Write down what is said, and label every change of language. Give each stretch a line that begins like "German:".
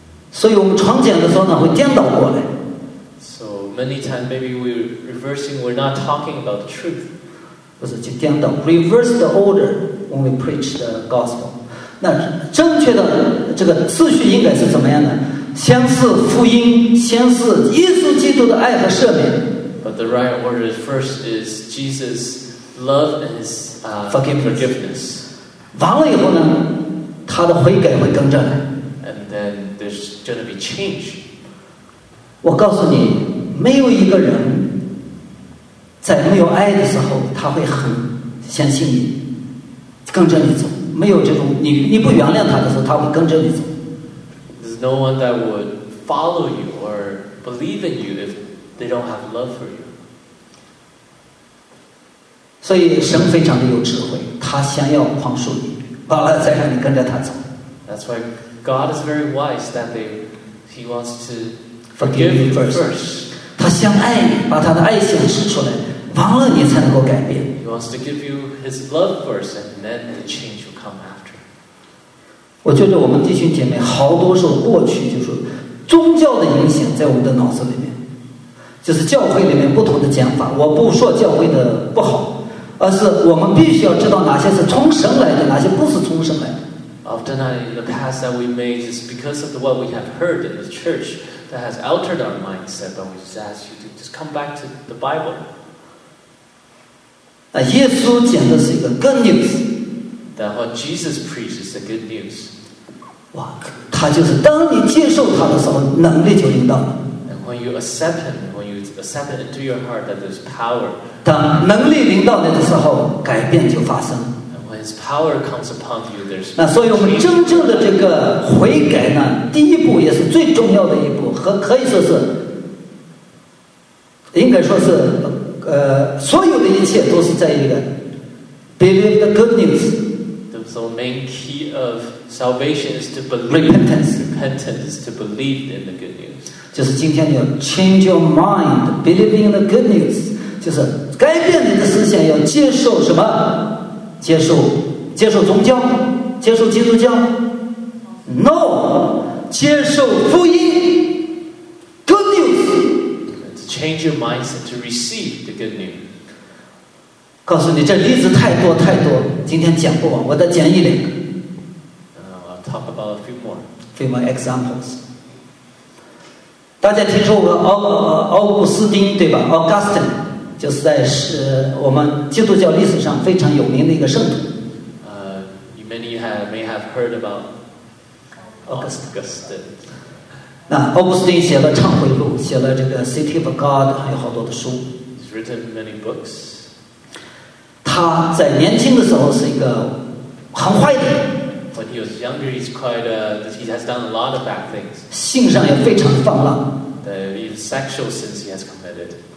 Chinese: 所以我们传讲的时候呢，会颠倒过来。
English: So many times, maybe we're reversing. We're not talking about the truth.
Chinese: 不是就颠倒
English: ，reverse the order when we preach the gospel.
Chinese: 那正确的这个次序应该是怎么样呢？先是福音，先是耶稣基督的爱和赦免。
English: But the right order first is Jesus' love and His forgiveness.
Chinese: 完了以后呢，他的悔改会更正。
English: And then there's going to be change.
Chinese: 我告诉你，没有一个人在没有爱的时候，他会很相信你，跟着你走。没有这种，你不原谅他的时候，他会跟着你走。
English: There's no one that would follow you or believe in you if they don't have love for you.
Chinese: 所以神非常的有智慧，他想要宽恕你，完了再让你跟着他走。
English: That's why God is very wise that He wants to forgive you first.
Chinese: 他相爱你，把他的爱心伸出来，完了你才能够改变。
English: He wants to give you His love first, and then the change will come after.
Chinese: 我觉得我们弟兄姐妹好多时候过去就是宗教的影响在我们的脑子里面，就是教会里面不同的讲法。我不说教会的不好，而是我们必须要知道哪些是从神来的，哪些不是从神来的。
English: Often in the past that we made is because of the what we have heard in the church that has altered our mindset. But we just ask you to just come back to the Bible.
Chinese: 啊，耶稣讲的是一个 good news.
English: That what Jesus preached is the good news.
Chinese: 哇，他就是当你接受他的时候，能力就引导。
English: And when you accept him, when you accept it into your heart, that there's power.
Chinese: 当能力引导你的时候，改变就发生。
English: His power comes upon you. There's.
Chinese: 那所以我们真正的这个悔改呢，第一步也是最重要的一步，和可以说是，应该说是，所有的一切都是在一个
English: believe the good news. The main key of salvation is to believe. Repentance. Repentance is to believe in the good news.
Chinese: 就是今天你要
English: change your mind, believing in the good news.
Chinese: 就是改变你的思想，要接受什么？接受宗教，接受基督教 ，no， 接受福音 ，good news。
English: To change your mindset to receive the good news。
Chinese: 告诉你，这例子太多太多，今天讲不完，我再讲一两个。
English: I'll talk about a few more. Few more examples。
Chinese: 大家听说过奥古斯丁对吧 ？Augustine。就是在是我们基督教历史上非常有名的一个圣徒。
English: You may have heard about Augustine.
Chinese: 那奥古斯丁写了《忏悔录》，写了这个《City of God》，还有好多的书。
English: He's written many books.
Chinese: 他在年轻的时候是一个很坏的。
English: When he was younger, he's quite a. He has done a lot of bad things.
Chinese: 性上也非常放浪。
English: The sexual sins he has committed.